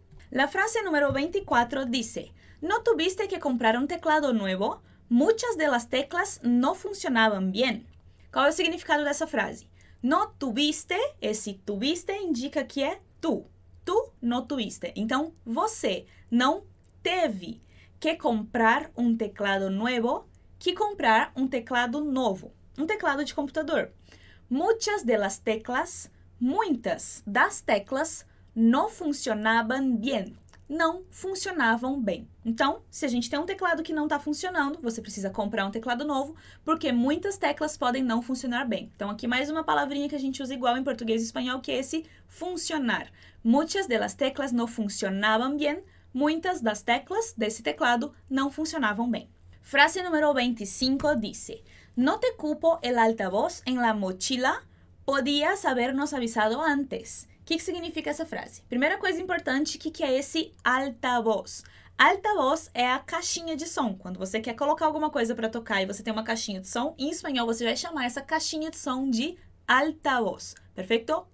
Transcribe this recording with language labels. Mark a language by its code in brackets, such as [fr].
[es] La frase número 24 dice: ¿No tuviste que comprar un teclado nuevo? Muchas de las teclas no funcionaban bien. [pt] Qual é o significado dessa frase? [es] No tuviste, [pt] esse tuviste indica que é tu. [es] Tu no tuviste. [pt] Então, você não teve que comprar [es] un teclado nuevo, [pt] que comprar um teclado novo, um teclado de computador. [es] Muchas de las teclas, [pt] muitas das teclas, não funcionavam bem. Não funcionavam bem. Então, se a gente tem um teclado que não está funcionando, você precisa comprar um teclado novo, porque muitas teclas podem não funcionar bem. Então, aqui mais uma palavrinha que a gente usa igual em português e espanhol, que é esse funcionar. [es] Muchas de las teclas no funcionaban bien. [pt] Muitas das teclas desse teclado não funcionavam bem. Frase número 25 disse: [es] No te culpo el altavoz en la mochila. Podías habernos avisado antes. [pt] O que significa essa frase? Primeira coisa importante, o que é esse altavoz? Altavoz é a caixinha de som. Quando você quer colocar alguma coisa para tocar e você tem uma caixinha de som, em espanhol você vai chamar essa caixinha de som de altavoz. Perfeito?